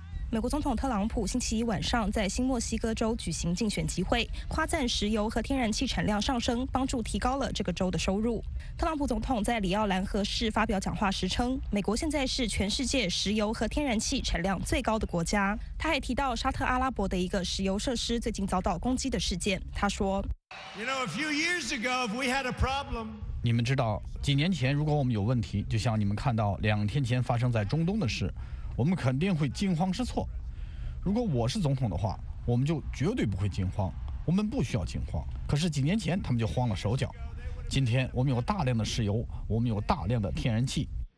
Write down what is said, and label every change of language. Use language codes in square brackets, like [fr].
[zh] 美国总统特朗普星期一晚上在新墨西哥州举行竞选集会，夸赞石油和天然气产量上升，帮助提高了这个州的收入。特朗普总统在里奥兰河市发表讲话时称，美国现在是全世界石油和天然气产量最高的国家。他还提到沙特阿拉伯的一个石油设施最近遭到攻击的事件。他说 [en] ：“You know, a few years ago, if we had a problem.” [zh] 你们知道，几年前如果我们有问题，就像你们看到2天前发生在中东的事。我们肯定会惊慌失措。如果我是总统的话，我们就绝对不会惊慌，我们不需要惊慌。可是几年前他们就慌了手脚。今天我们有大量的石油，我们有大量的天然气。